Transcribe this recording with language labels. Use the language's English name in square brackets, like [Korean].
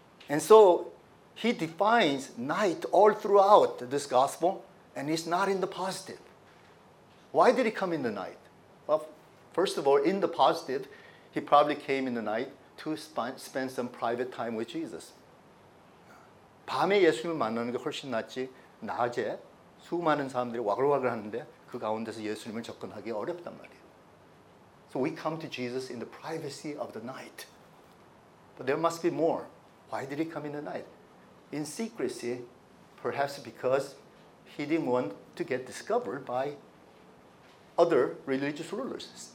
[English] And so he defines night all throughout this gospel, and it's not in the positive. Why did he come in the night? Well, first of all, in the positive, he probably came in the night to spend some private time with Jesus. [Korean] 밤에 예수님을 만나는 게 훨씬 낫지, 낮에 수많은 사람들이 와글와글 하는데 그 가운데서 예수님을 접근하기 어렵단 말이에요. [English] So we come to Jesus in the privacy of the night. But there must be more. Why did he come in the night? In secrecy, perhaps because he he didn't want to get discovered by other religious rulers.